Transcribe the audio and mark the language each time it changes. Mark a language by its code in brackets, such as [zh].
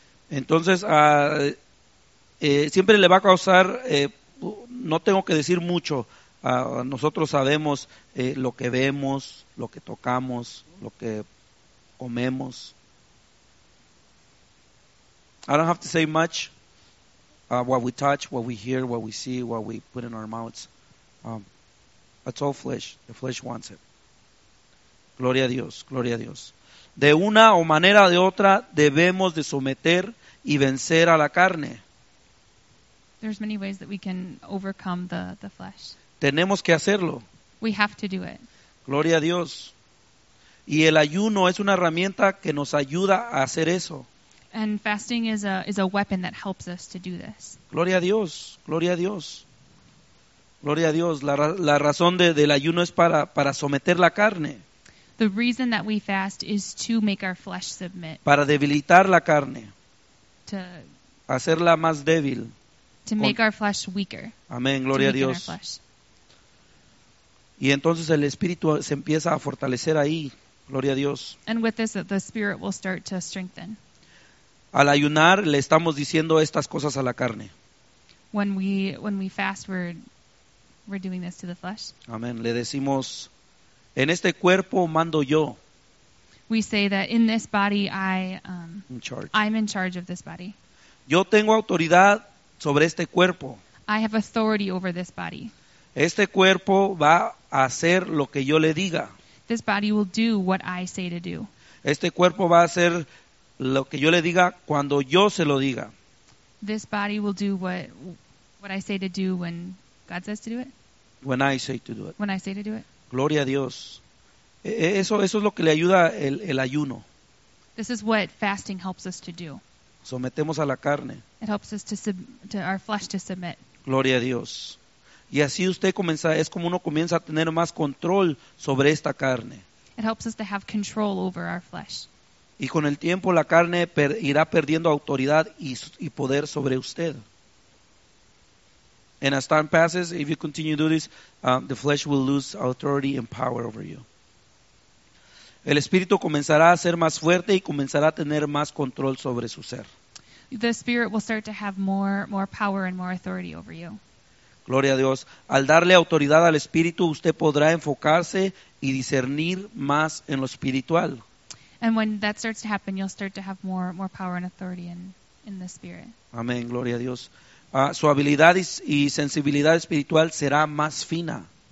[es] Entonces, siempre le va a causar, no tengo que decir mucho, nosotros sabemos lo que vemos, lo que tocamos, lo que comemos. [en] I don't have to say much, what we touch, what we hear, what we see, what we put in our mouths. It's all flesh, the flesh wants it. [es] Gloria a Dios, gloria a Dios. De una o manera de otra, debemos de someter y vencer a la carne. [en] There's many ways that we can overcome the flesh. [es] Tenemos que hacerlo. [en] We have to do it. [es] Gloria a Dios. Y el ayuno es una herramienta que nos ayuda a hacer eso. [en] And fasting is a weapon that helps us to do this. [es] Gloria a Dios. Gloria a Dios. Gloria a Dios. La razón del ayuno es para someter la carne. [en] The reason that we fast is to make our flesh submit. [es] Para debilitar la carne. [en] To [es] hacerla más débil. [en] To make our flesh weaker. [es] Amén. Gloria a Dios. Y entonces el Espíritu se empieza a fortalecer ahí. Gloria a Dios. [en] And with this, the Spirit will start to strengthen. [es] Al ayunar, le estamos diciendo estas cosas a la carne. [en] When we fast, we're doing this to the flesh. [es] Amén. Le decimos, en este cuerpo mando yo. [en] We say that in this body, I'm in charge of this body. [es] Yo tengo autoridad sobre este cuerpo. [en] I have authority over this body. [es] Este cuerpo va a hacer lo que yo le diga. [en] This body will do what I say to do. [es] Este cuerpo va a hacer lo que yo le diga cuando yo se lo diga. [en] This body will do what I say to do when God says to do it. When I say to do it. When I say to do it. [es] Gloria a Dios. Eso es lo que le ayuda el ayuno. [en] This is what fasting helps us to do. [es] Sometemos a la carne. [en] It helps us to our flesh to submit. [es] Gloria a Dios. Y así usted comienza, es como uno comienza a tener más control sobre esta carne. [en] It helps us to have control over our flesh. [es] Y con el tiempo la carne irá perdiendo autoridad y poder sobre usted. [en] And as time passes, if you continue to do this, the flesh will lose authority and power over you. [es] El espíritu comenzará a ser más fuerte y comenzará a tener más control sobre su ser. [en] The spirit will start to have more power and more authority over you. [es] Gloria a Dios. Al darle autoridad al Espíritu, usted podrá enfocarse y discernir más en lo espiritual. [en] And when that starts to happen, you'll start to have more power and authority in the Spirit. [es] Amén. Gloria a Dios. Su habilidad y sensibilidad espiritual será más fina.